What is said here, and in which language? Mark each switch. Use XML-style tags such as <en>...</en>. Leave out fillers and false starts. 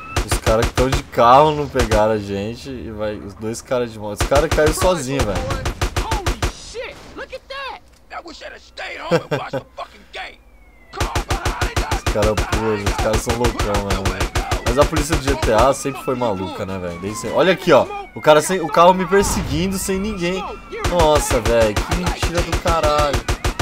<pt>Os caras que estão de carro não pegaram a gente. E vai, os dois caras de moto. Os caras caíram sozinhos, velho.</pt> <en>Holy shit, look at that. I wish I'd have stayed home and watched the fucking game.</en> <pt>Os caras pulam, os caras são loucão, mano. Mas a polícia do GTA sempre foi maluca, né, velho? Olha aqui, ó. O cara sem. O carro me perseguindo sem ninguém. Nossa, velho. Que mentira do caralho.</pt>